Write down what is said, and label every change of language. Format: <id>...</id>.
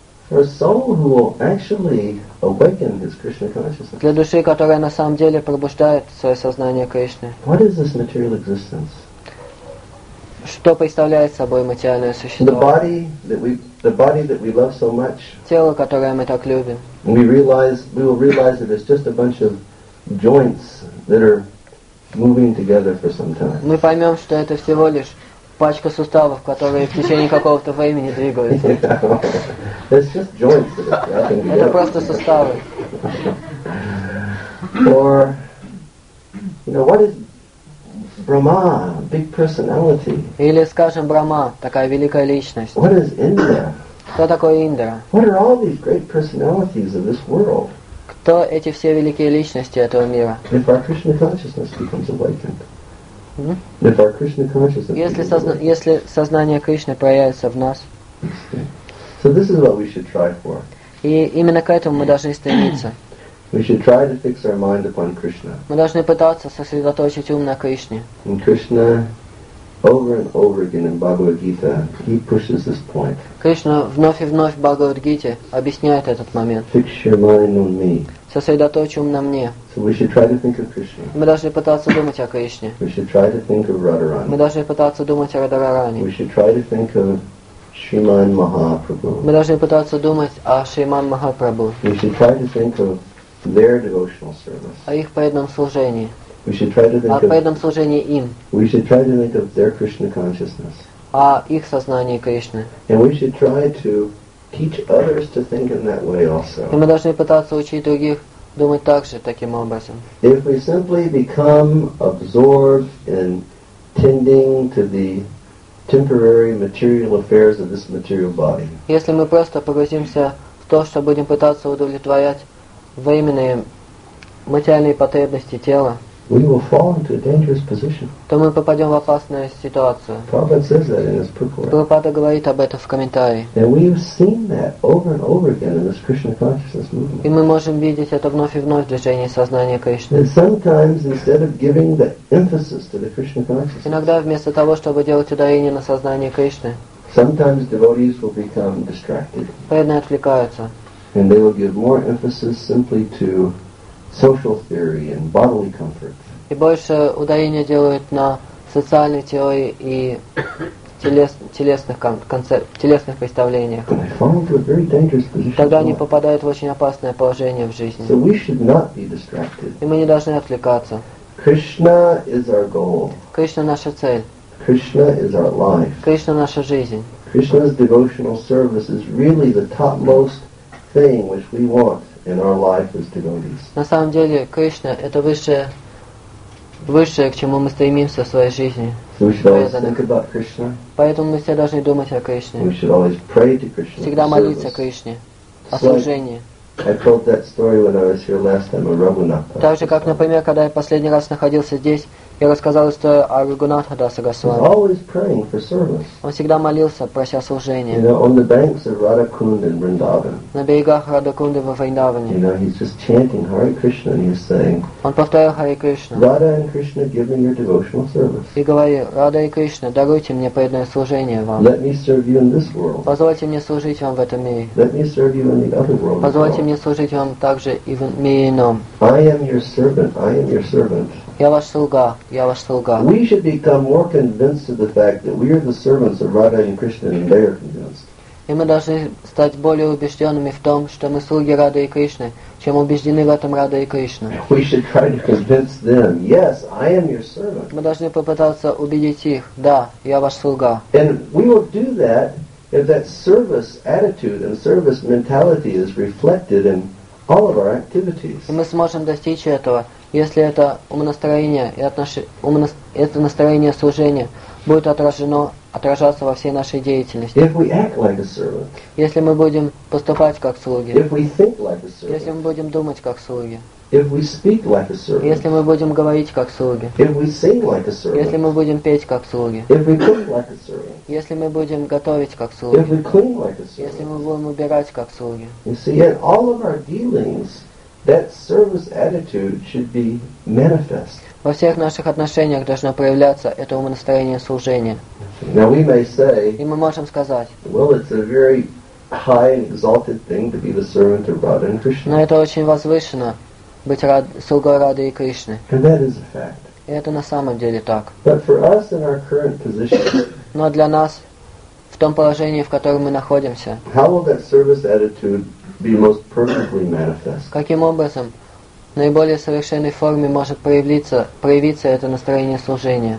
<en>For a soul who will actually awaken his Krishna consciousness.</en> <ru>Для души, которая на самом деле пробуждает свое сознание Кришны.</ru> <en>What is this material existence?</en> <ru>Что представляет собой материальное существо?</ru> <en>The body that we love so much,</en> <ru>тело, которое мы так любим.</ru> <en>We will realize that it's just a bunch of joints that are moving together for some time.</en> <ru>Мы поймем, что это всего лишь пачка суставов, которые в течение какого-то времени двигаются.</ru> <en>Yeah. It's just joints.</en> <ru>Это просто суставы.</ru> <en>Or, you know, what is Brahma, big personality.</en> <ru>Или, скажем, Брахма, такая великая личность.</ru> <en>What is Indra?</en> <ru>Кто такой Индра?</ru> <en>What are all these great personalities of this world?</en> <ru>Кто эти все великие личности этого мира?</ru> <en>If our Krishna consciousness becomes awakened. If our Krishna consciousness.</en> <ru>Если сознание Кришны проявится в нас.</ru> <en>So this is what we should try for.</en> <ru>И именно к этому мы должны стремиться.</ru> <en>We should try to fix our mind upon Krishna.</en> <ru>Мы должны пытаться сосредоточить ум на Кришне.</ru> <en>And Krishna, over and over again in Bhagavad Gita, he pushes this point.</en> <ru>Кришна вновь и вновь в Бхагавад Гите объясняет этот момент.</ru> <en>Fix your mind on me.</en> <ru>Сосредоточь ум на мне.</ru> <en>So we should try to think of Krishna.</en> <ru>Мы должны пытаться думать о Кришне.</ru> <en>We should try to think of Radharani.</en> <ru>Мы должны пытаться думать о Радхаране.</ru> <en>We should try to think of Shriman Mahaprabhu.</en> <ru>Мы должны пытаться думать о Шриман Махапрабху.</ru> <en>We should try to think of their devotional service.</en> <ru>О их преданном служении.</ru> <en>We should try to think</en> <ru>поэтому служение им.</ru> <en>We should try to think of their Krishna consciousness.</en> <ru>А их сознание Кришны.</ru> <en>And we should try to teach others to think in that way also.</en> <ru>И мы должны пытаться учить других думать так же, таким образом.</ru> <en>If we simply become absorbed in tending to the temporary material affairs of this material body.</en> <ru>Если мы просто погрузимся в то, что будем пытаться удовлетворять временные материальные потребности тела,</ru> <en>we will fall into a dangerous position.</en> <ru>То мы попадем в опасную ситуацию.</ru> <en>Prabhupada says that in his purport.</en> <ru>Прабхупада говорит об этом в комментарии.</ru> <en>And we have seen that over and over again in this Krishna consciousness movement.</en> <ru>И мы можем видеть это вновь и вновь в движении сознания Кришны.</ru> <en>And sometimes instead of giving the emphasis to the Krishna consciousness,</en> <ru>иногда вместо того, чтобы делать ударение на сознание Кришны,</ru> <en>sometimes devotees will become distracted.</en> <ru>Преданные отвлекаются.</ru> <en>And they will give more emphasis simply to social theory and bodily comfort.</en> <ru>И больше ударения делают на социальной теории и телесных представлениях.</ru> <en>And they fall into a very dangerous position.</en> <ru>Тогда они попадают в очень опасное положение в жизни.</ru> <en>So we should not be distracted.</en> <ru>И мы не должны отвлекаться.</ru> <en>Krishna is our goal.</en> <ru>Кришна наша цель.</ru> <en>Krishna is our life.</en> <ru>Кришна наша жизнь.</ru> <en>Krishna's devotional service is really the topmost thing which we want. In our life as devotees.</en> <ru>На самом деле, Кришна — это высшее, к чему мы стремимся в своей жизни.</ru> <en>So we should always think about Krishna.</en> <ru>Поэтому мы все должны думать о Кришне.</ru> <en>We should always pray to Krishna.</en> <ru>Всегда молиться Кришне о служении.</ru> <en>I told that story when I was here last time at Raghunatha.</en> <ru>Так же, как, например, когда я последний раз находился здесь, я рассказал историю о Рагунатха Даса Госвами.</ru> <en>He's always praying for service.</en> <ru>Он всегда молился, прося служения.</ru> <en>You know, on the banks of Radhakund and Vrindavan.</en> <ru>На берегах Радхакунды во Вриндаване.</ru> <en>You know, he's just chanting Hare Krishna and he's saying.</en> <ru>Он повторял Харе Кришну.</ru> <en>Radha and Krishna, give me your devotional service.</en> <ru>И говорил: Радха и Кришна, даруйте мне преданное служение вам.</ru> <en>Let me serve you in this world.</en> <ru>Позвольте мне служить вам в этом мире.</ru> <en>Let me serve you in the other world.</en> <ru>Позвольте мне служить вам также и в мире ином.</ru> <en>I am your servant. I am your servant.</en> <ru>Я ваш слуга. Я ваш слуга.</ru> <en>We should become more convinced of the fact that we are the servants of Radha and Krishna than they are convinced.</en> <ru>И мы должны стать более убежденными в том, что мы слуги Радхи и Кришны, чем убеждены в этом Радха и Кришна.</ru> <en>We should try to convince them. Yes, I am your servant.</en> <ru>Мы должны попытаться убедить их. Да, я ваш слуга.</ru> <en>And we will do that if that service attitude and service mentality is reflected in all of our activities.</en> <ru>И мы сможем достичь этого. Если это умонастроение и это настроение служения будет отражаться во всей нашей деятельности.</ru> <en>If we act like a servant,</en> <ru>если мы будем поступать как слуги.</ru> <en>If we think like a servant,</en> <ru>если мы будем думать как слуги.</ru> <en>If we speak like a servant,</en> <ru>если мы будем говорить как слуги.</ru> <en>If we sing like a servant,</en> <ru>если мы будем петь как слуги.</ru> <en>If we cook like a servant,</en> <ru>если мы будем готовить как слуги.</ru> <en>If we clean like a servant,</en> <ru>если мы будем убирать как слуги.</ru> <en>You see, all of our dealings, that service attitude should be manifest.</en> <ru>Во всех наших отношениях должно проявляться это умонастроение служения.</ru> <en>Now we may say,</en> <ru>и мы можем сказать,</ru> <en>well, it's a very high and exalted thing to be the servant of Radha and Krishna.</en> <ru>Но это очень возвышено, быть слугой Радхи и Кришны.</ru> <en>And that is a fact.</en> <ru>И это на самом деле так.</ru> <en>But for us in our current position,</en> <ru>но для нас в том положении, в котором мы находимся,</ru> <en>how will that service attitude be most perfectly manifest?</en> <ru>Каким образом в наиболее совершенной форме может проявиться это настроение служения?</ru>